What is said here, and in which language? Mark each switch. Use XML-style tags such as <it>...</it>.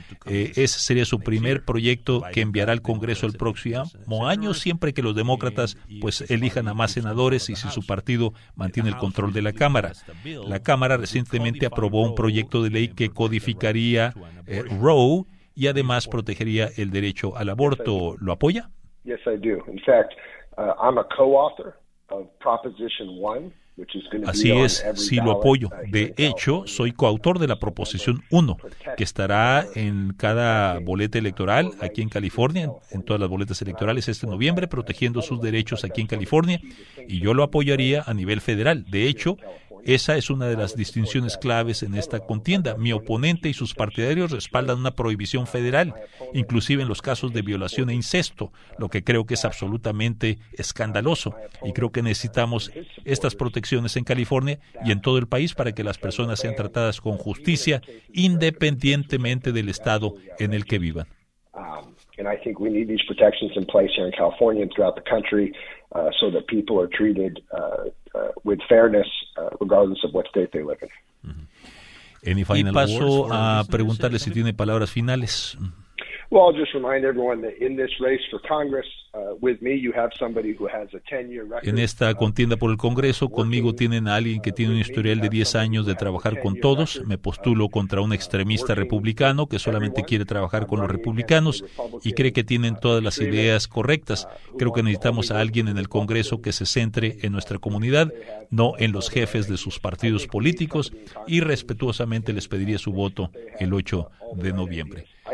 <es>Ese sería su primer proyecto que enviará al Congreso el próximo año, siempre que los demócratas pues elijan a más senadores y si su partido mantiene el control de la Cámara. La Cámara recientemente aprobó un proyecto de ley que codificaría Roe y además protegería el derecho al aborto. ¿Lo apoya?</es> <en>Yes, I do. In fact, I'm a co-author of Proposition 1, which is going to</en> <es>Así</es> <en>be</en> <es>es, sí lo apoyo. De hecho, soy coautor de la Proposición 1, que estará en cada boleta electoral aquí en California, en todas las boletas electorales este noviembre, protegiendo sus derechos aquí en California, y yo lo apoyaría a nivel federal. De hecho, esa es una de las distinciones claves en esta contienda. Mi oponente y sus partidarios respaldan una prohibición federal, inclusive en los casos de violación e incesto, lo que creo que es absolutamente escandaloso. Y creo que necesitamos estas protecciones en California y en todo el país para que las personas sean tratadas con justicia, independientemente del estado en el que vivan.</es> <en>And I think we need these protections in place here in California and throughout the country so that people are treated with fairness regardless of what state they live in. Any final words?</en> <es>Paso a preguntarle si tiene palabras finales.</es> <en>Well, I'll just remind everyone that in this race for Congress, with me, you have somebody who has a 10-year record.</en> <es>En esta contienda por el Congreso, conmigo tienen a alguien que tiene un historial de 10 años de trabajar con todos. Me postulo contra un extremista republicano que solamente quiere trabajar con los republicanos y cree que tienen todas las ideas correctas. Creo que necesitamos a alguien en el Congreso que se centre en nuestra comunidad, no en los jefes de sus partidos políticos, y respetuosamente les pediría su voto el 8 de noviembre.</es>